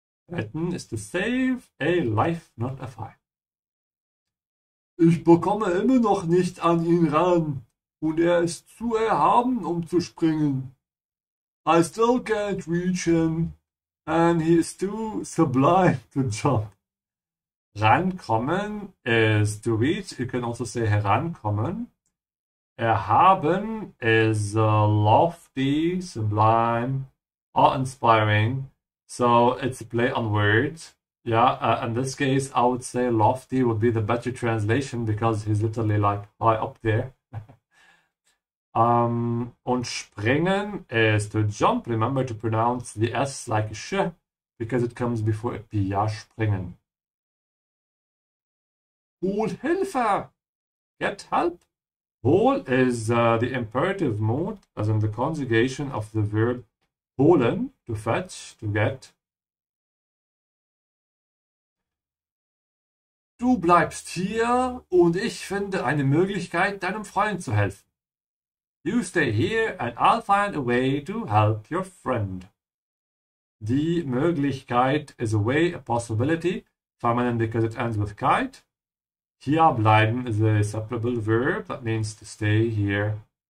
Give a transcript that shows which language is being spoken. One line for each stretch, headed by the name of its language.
English: Retten is to save a life, not a fight.
German: Ich bekomme immer noch nicht an ihn ran. Und er ist zu erhaben, um zu springen.
English: I still can't reach him. And he is too sublime to jump. Rankommen is to reach. You can also say herankommen. Erhaben is lofty, sublime, awe-inspiring. So it's a play on words. Yeah, in this case, I would say lofty would be the better translation because he's literally like high up there. und springen is to jump. Remember to pronounce the S like sh because it comes before a P.
German: Ja, springen. Hol Hilfe!
English: Get help! Hol is the imperative mode, as in the conjugation of the verb holen, to fetch, to get.
German: Du bleibst hier und ich finde eine Möglichkeit, deinem Freund zu helfen.
English: You stay here and I'll find a way to help your friend. Die Möglichkeit is a way, a possibility. Feminine because it ends with kite. Hier bleiben is a separable verb that means to stay here.